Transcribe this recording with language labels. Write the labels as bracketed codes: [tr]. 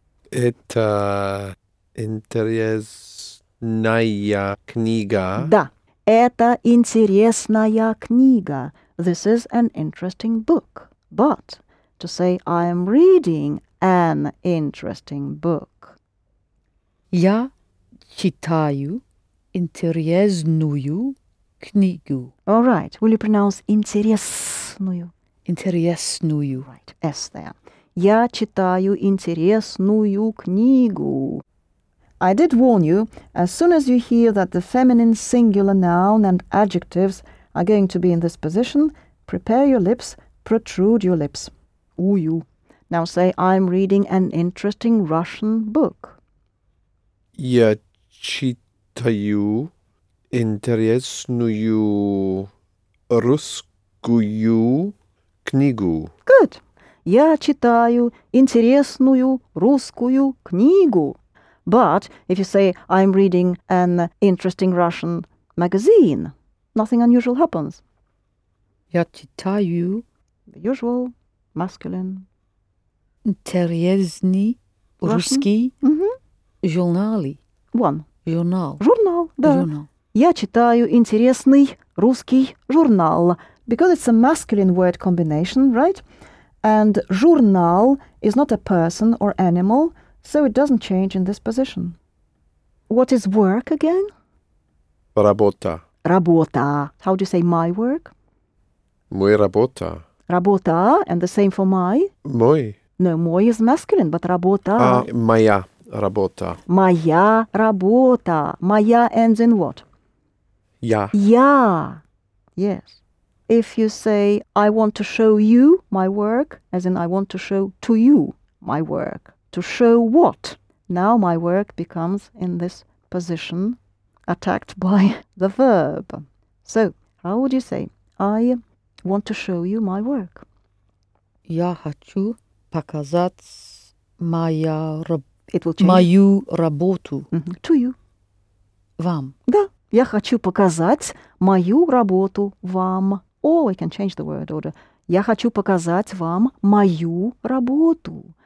[ru] Это интересная книга. Да. Это интересная книга. [en] This is an interesting book. But to say, I am reading an interesting book. [ru] Я читаю интересную книгу. [en] All right. Will you pronounce интересную? [ru] Интересную. [en] Right. S there. [ru] Я читаю интересную книгу. [en] I did warn you, as soon as you hear that the feminine singular noun and adjectives are going to be in this position, prepare your lips, protrude your lips. [ru] Ую. [en] Now say, I'm reading an interesting Russian book. [ru] Я читаю интересную русскую книгу. [en] Good. [ru] Я читаю интересную русскую книгу. [en] But if you say, I'm reading an interesting Russian magazine, nothing unusual happens. [ru] Я читаю. [en] The usual, masculine. [ru] Интересный русский журнали. [en] One. [ru] Журнал. Журнал, да. Журнал. Я читаю интересный русский журнал. [en] Because it's a masculine word combination, right? And журнал is not a person or animal, so it doesn't change in this position. What is work again? [ru] Работа. [en] Работа. How do you say my work? [ru] Мой работа. [en] Работа, and the same for my? [ru] Мой. [en] No, мой is masculine, but работа. [ru] Моя работа. Моя работа. [en] Моя ends in what? [ru] Я. Я. [en] Yes. If you say, I want to show you my work, as in I want to show to you my work. To show what? Now my work becomes in this position, attacked by the verb. So, how would you say, I want to show you my work? [ru] Я хочу показать мою работу. [en] Mm-hmm. To you. [ru] Вам. Да. Я хочу показать мою работу вам. [en] Or we can change the word order. [ru] Я хочу показать вам мою работу.